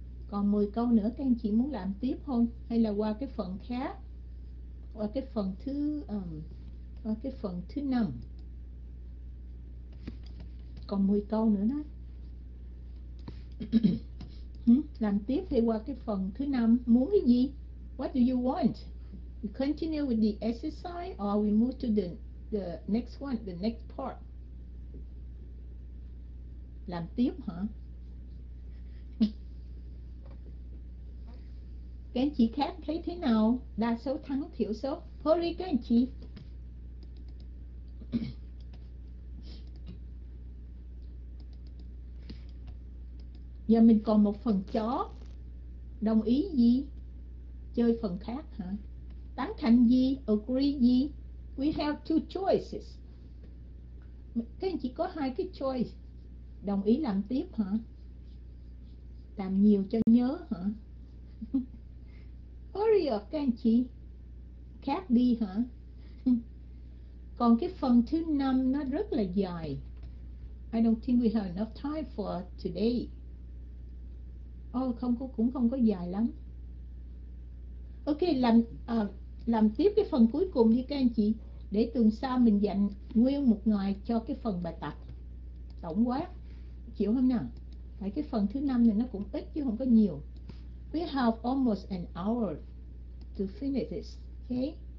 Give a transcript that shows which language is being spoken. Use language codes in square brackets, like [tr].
[vi] Còn 10 câu nữa các anh chị muốn làm tiếp không? Hay là qua cái phần khác? Qua cái phần thứ qua cái phần thứ 5. Còn 10 câu nữa đó. Làm tiếp hay qua cái phần thứ 5? Muốn cái gì? [en] What do you want? We continue with the exercise or we move to the next one, the next part? [vi] Làm tiếp hả? Các anh chị khác thấy thế nào? Đa số thắng, thiểu số. Hurry các anh chị. Giờ mình còn một phần chó. Đồng ý gì? Chơi phần khác hả? Tán thành gì? Agree gì? [en] We have two choices. [vi] Các anh chị có hai cái choice. Đồng ý làm tiếp hả? Làm nhiều cho nhớ hả? [en] Hurry up [vi] các anh chị, khác đi hả? Còn cái phần thứ 5 nó rất là dài. [en] I don't think we have enough time for today. [vi] Oh, không có, cũng không có dài lắm. Ok, làm tiếp cái phần cuối cùng đi các anh chị. Để tuần sau mình dành nguyên một ngày cho cái phần bài tập tổng quát, chịu không nào? Tại cái phần thứ 5 này nó cũng ít chứ không có nhiều. [en] We have almost an hour to finish this, okay?